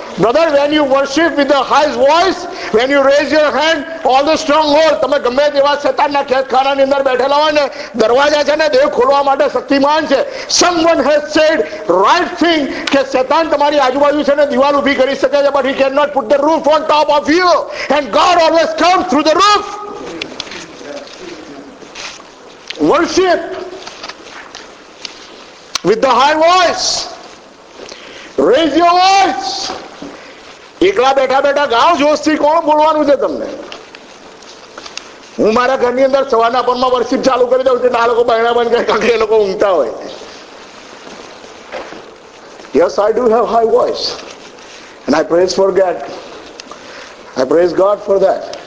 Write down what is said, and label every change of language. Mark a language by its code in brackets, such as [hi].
[en] brother, when you worship with a highest voice, when you raise your hand, all the stronghold, [gu] તમે ગમે તેવા શેતાનના ખેતખાનાની અંદર બેઠેલા હોય ને, દરવાજા છે ને દેવ ખોલવા માટે શક્તિમાન છે. [en] someone has said right thing [gu] કે શેતાન તમારી આજુબાજુ છે ને દિવાલ ઉભી કરી શકે છે, [en] But he can not put the roof on top of you, and God always come through the roof. Worship with the high voice. Raise your voice. [gu] એકલા બેઠા બેઠા ગાઓ, જોશથી કોણ બોલવાનું છે તમને? હું મારા ઘરની અંદર સવારના પરમાં વર્શિપ ચાલુ કરી દઉં, એટલે આ લોકો બહેણા બન ગયા, કાંઈ એ લોકો ઊંઘતા હોય. [en] Yes, I do have high voice, and I praise for get, I praise God for that.